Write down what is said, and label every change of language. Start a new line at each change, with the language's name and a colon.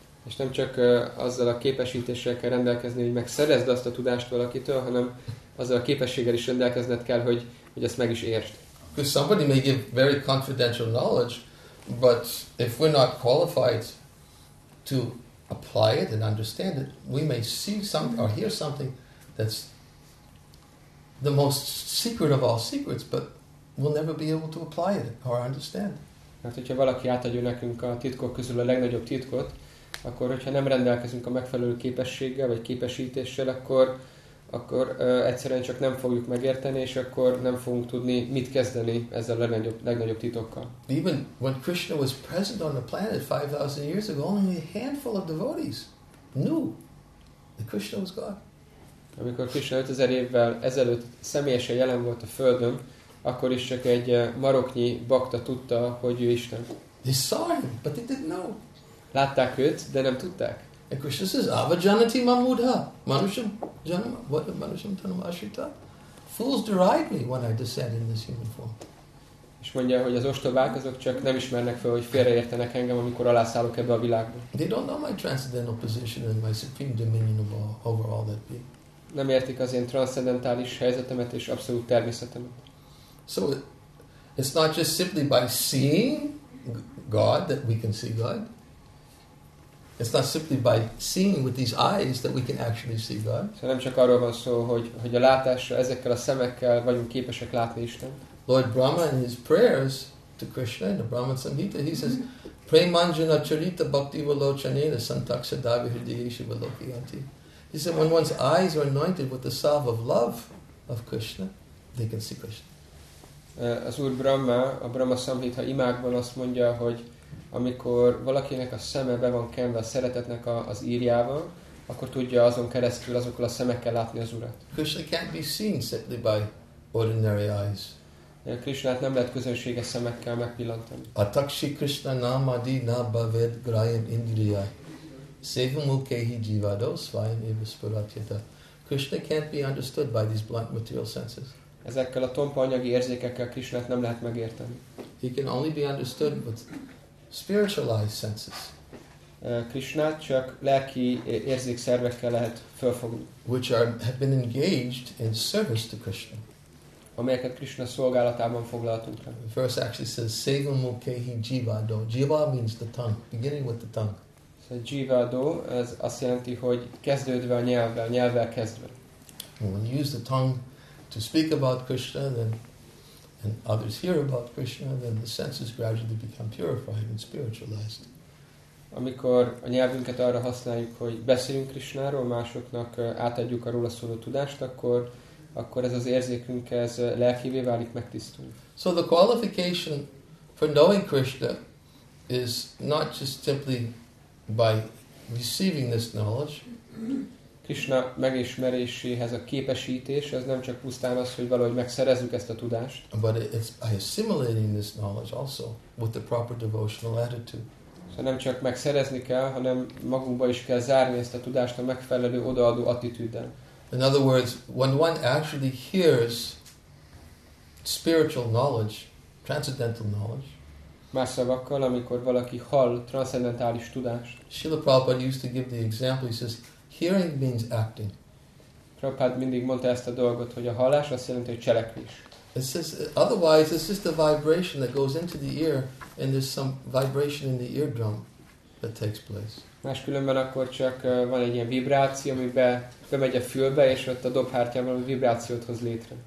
Hungarian: És nem csak azzal a képesítéssel kell rendelkezni, hogy megszerezd azt a tudást valakitől, hanem azzal a képességgel is rendelkezned kell, hogy ezt meg is értsd.
English: Because somebody may give very confidential knowledge, but if we're not qualified to apply it and understand it, we may see something or hear something that's the most secret of all secrets, but we'll never be able to apply it or understand.
Hungarian: Mert hogyha valaki átadja nekünk a titkok közül a legnagyobb titkot, akkor hogyha nem rendelkezünk a megfelelő képességgel vagy képesítéssel, akkor egyszerűen csak nem fogjuk megérteni, és akkor nem fogunk tudni, mit kezdeni ezzel a legnagyobb titokkal.
English: Even when Krishna was present on the planet 5,000 years ago, only a handful of devotees knew that Krishna was God.
Hungarian: Amikor Krishna 5,000 évvel ezelőtt személyesen jelen volt a Földön, akkor is csak egy maroknyi bakta tudta, hogy ő Isten.
English: They saw him, but they didn't know.
Hungarian: Látták őt, de nem tudták.
English: And Krishna says,
Sanskrit: "Ava janati mam udha, manushyam janam, what a manushyam tanam ashrita?
English: Fools deride me when I descend in this human form."
Hungarian: És mondja, hogy az ostobák azok csak nem ismernek fel, hogy félreértenek engem, amikor alászállok ebbe a világba.
English: They don't know my transcendental position and my supreme dominion over all that being.
Hungarian: Nem értik az én transzcendentális helyzetemet és abszolút természetemet.
English: So It's not just simply by seeing God that we can see God. It's not simply by seeing with these eyes that we can actually see God.
Hungarian: So nem csak arról van szó, hogy a látásra ezekkel a szemekkel vagyunk képesek látni Istent.
English: Lord Brahma in his prayers to Krishna in the Brahma Samhita, he says,
Sanskrit: "Pray manjana charita bhakti valochanena santaksha davihridiyeshu valokiyanti."
English: He said, when one's eyes are anointed with the salve of love of Krishna, they can see Krishna.
Hungarian: Az Úr Brahma, a Brahma Samhita imákban azt mondja, hogy amikor valakinek a szeme be van kenve a szeretetnek az írjában, akkor tudja azon keresztül azokkal a szemekkel látni az Urat.
English: Krishna can't be seen simply by ordinary eyes.
Hungarian: Krishnát nem lehet közönséges szemekkel megpillantani.
Sanskrit: Atakshi Krishna namadi nabaved grayam indriya. Sevamukehi jivado svayam eva spuratyata.
English: Krishna can't be understood by these blunt material senses.
Hungarian: Ezekkel a tompa anyagi érzékekkel Krishnát nem lehet megérteni.
English: He can only be understood with spiritualized senses.
Hungarian: Krishnát csak lelki érzékszervekkel lehet felfogni.
English: Which have been engaged in service to Krishna.
Hungarian: Amelyeket Krishna szolgálatában foglaltunk le.
English: First actually says
Sanskrit: sevamukehi jivado.
English: Jiva means the tongue, beginning with the tongue.
Hungarian: A jivado, ez azt jelenti, hogy kezdődve a nyelvvel, nyelvvel kezdve.
English: When you use the tongue to speak about Krishna, then and others hear about Krishna, then the senses gradually become purified and spiritualized.
Hungarian: Amikor a nyelvünket arra használjuk, hogy beszélünk Krishnáról, másoknak átadjuk a róla szóló tudást, akkor ez az érzékünk, ez lelkivé válik, megtisztul.
English: So the qualification for knowing Krishna is not just simply by receiving this knowledge.
Hungarian: Krishna megismeréséhez a képesítés, ez nem csak pusztán az, hogy valahogy megszerezzük ezt a tudást.
English: But it's by assimilating this knowledge also with the proper devotional attitude.
Hungarian: Szóval nem csak megszerezni kell, hanem magunkba is kell zárni ezt a tudást a megfelelő odaadó attitűddel.
English: In other words, when one actually hears spiritual knowledge, transcendental knowledge,
Hungarian: más szavakkal, amikor valaki hall transzendentális tudást.
English: Srila Prabhupada used to give the example, he says, hearing means acting.
Hungarian: Prabhupada mindig mondta ezt a dolgot, hogy a hallás azt jelenti, hogy cselekvés.
English: It says, otherwise, it's just a vibration that goes into the ear, and there's some vibration in the eardrum that takes place.
Hungarian: Máskülönben akkor csak van egy ilyen vibráció, amibe bemegy a fülbe, és ott a dobhártyában a vibrációt hoz létre.